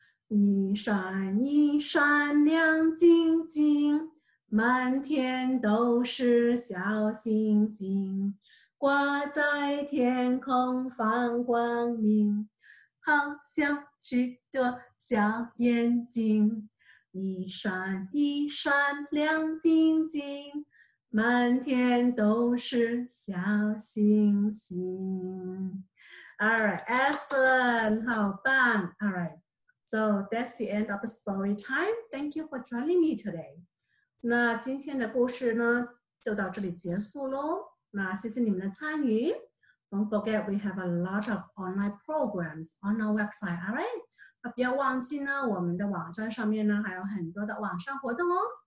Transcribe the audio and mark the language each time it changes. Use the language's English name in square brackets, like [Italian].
[Chinese] 一闪一闪亮晶晶，满天都是小星星，挂在天空放光明，好像许多小眼睛，一闪一闪亮晶晶，满天都是小星星。 [English] All right, excellent, [Chinese] 好棒。 [English] All right, so that's the end of the story time. Thank you for joining me today. [Chinese] 那今天的故事呢，就到这里结束咯。那谢谢你们的参与。 [English] Don't forget, we have a lot of online programs on our website, all right? [Chinese] 不要忘记呢，我们的网站上面呢，还有很多的网上活动哦。